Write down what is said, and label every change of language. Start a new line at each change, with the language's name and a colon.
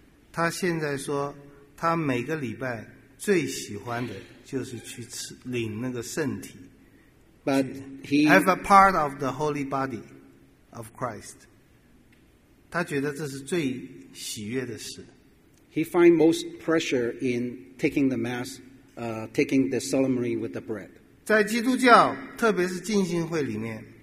Chinese: 他现在说他每个礼拜最喜欢的就是去领那个圣体,
English: but he have a part of the holy body of Christ.
Chinese: 他觉得这是最喜悦的事。
English: He finds most pressure in taking the Mass, taking the solemnity with the bread.
Chinese: 在基督教, 特别是浸信会里面,